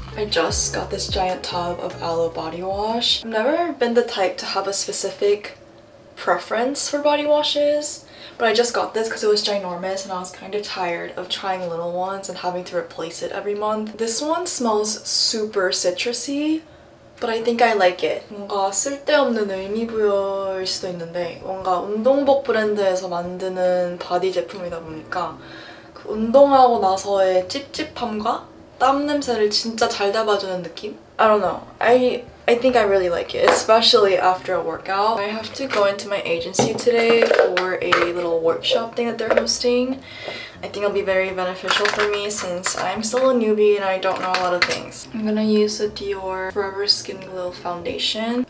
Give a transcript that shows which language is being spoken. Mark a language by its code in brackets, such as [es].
[en] Just got this giant tub of Aloe body wash. I've never been the type to have a specific preference for body washes, but I just got this because it was ginormous and I was kind of tired of trying little ones and having to replace it every month. This one smells super citrusy, but I think I like it. [ko] 뭔가 쓸데없는 의미 부여일 수도 있는데 뭔가 운동복 브랜드에서 만드는 바디 제품이다 보니까 그 운동하고 나서의 찝찝함과 땀 냄새를 진짜 잘 잡아주는 느낌? [en] I don't know. I think I really like it, especially after a workout. I have to go into my agency today for a little workshop thing that they're hosting. I think it'll be very beneficial for me since I'm still a newbie and I don't know a lot of things. I'm gonna use the Dior Forever Skin Glow Foundation.